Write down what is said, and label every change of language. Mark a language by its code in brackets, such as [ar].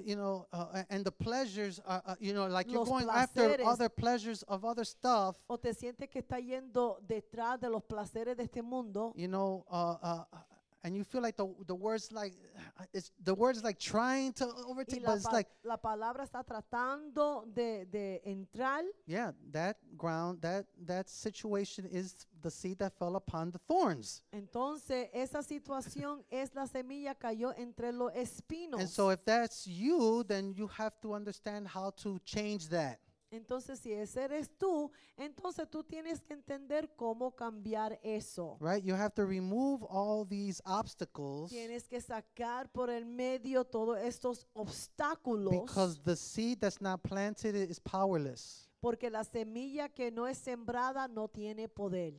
[en] you know, and the pleasures you know, like you're going after other pleasures of other stuff, [es] o te sientes que está yendo detrás de los placeres de este mundo, [en] you know, and you feel like the words like it's the words like trying to overtake, but it's like [es] la palabra está tratando de entrar. [en] Yeah, that ground, that situation is the seed that fell upon the thorns. [es] Entonces esa situación es la semilla cayó entre los espinos. [en] And so if that's you, then you have to understand how to change that. [es] Entonces si ese eres tú, entonces tú tienes que entender cómo cambiar eso. [en] Right, you have to remove all these obstacles. [es] Tienes que sacar por el medio todos estos obstáculos. [en] Because the seed that's not planted is powerless. [es] Porque la semilla que no es sembrada no tiene poder.